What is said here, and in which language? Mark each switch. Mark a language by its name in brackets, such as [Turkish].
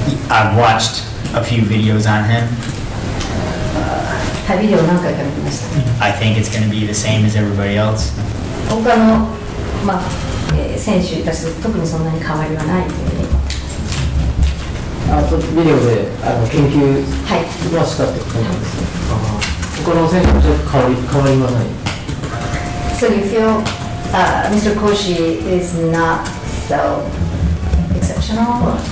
[English] I've watched a few videos on him. Have you done any kind of test? I think it's going to be the same as everybody else. [Japanese] 他の、まあ、選手たちと特にそんなに変わりはないというね。ビデオで研究はしたってことなんですね。他の選手と変わりはない。 [English] So you feel Mr. Koshi is not so exceptional?